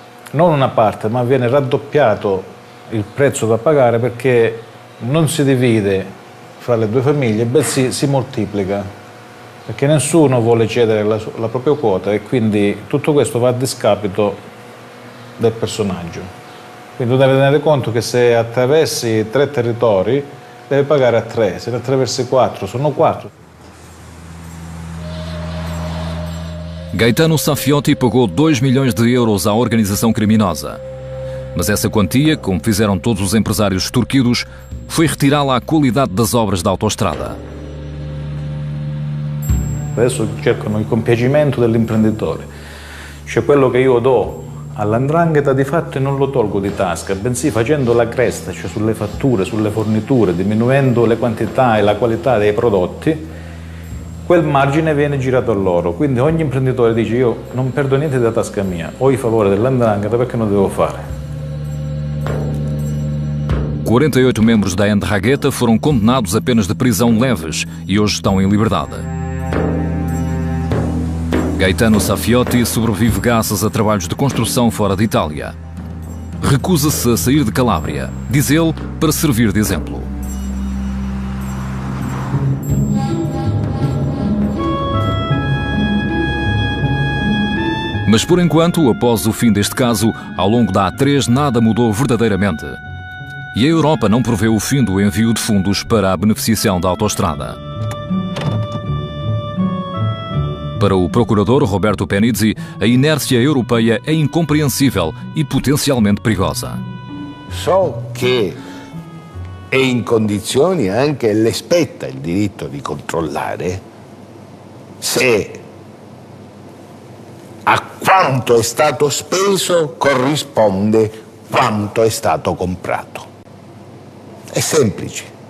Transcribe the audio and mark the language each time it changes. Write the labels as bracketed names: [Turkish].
[Italian] non una parte, ma viene raddoppiato il prezzo da pagare perché non si divide fra le due famiglie, bensì si moltiplica, perché nessuno vuole cedere la propria quota e quindi tutto questo va a discapito del personaggio. Quindi tu devi tenere conto che se attraversi tre territori devi pagare a tre, se ne attraversi quattro sono quattro. [Portuguese] Gaetano Safiotti pagou 2 milhões de euros à organização criminosa. Mas essa quantia, como fizeram todos os empresários extorquidos, foi retirá-la à qualidade das obras da autoestrada. [Italian] Adesso cercano il compiacimento dell'imprenditore. Cioè quello che io do all'Andrangheta di fatto non lo tolgo di tasca, bensì facendo la cresta, cioè sulle fatture, sulle forniture, diminuendo le quantità e la qualità dei prodotti, quel margine viene girato a loro, quindi ogni imprenditore dice io non perdo niente da tasca mia, ho i favori dell'Ndrangheta perché non devo fare. [Portuguese] 48 membros da 'Ndrangheta foram condenados apenas de prisão leves e hoje estão em liberdade. Gaetano Safiotti sobrevive graças a trabalhos de construção fora de Itália. Recusa-se a sair de Calábria, diz ele, para servir de exemplo. Mas por enquanto, após o fim deste caso, ao longo da A3 nada mudou verdadeiramente. E a Europa não prevê o fim do envio de fundos para a beneficiação da autoestrada. Para o procurador Roberto Penizzi, a inércia europeia é incompreensível e potencialmente perigosa. Só que é em condições, [Italian] anche le spetta il diritto di controllare se a quanto è stato speso corrisponde quanto è stato comprato. È semplice.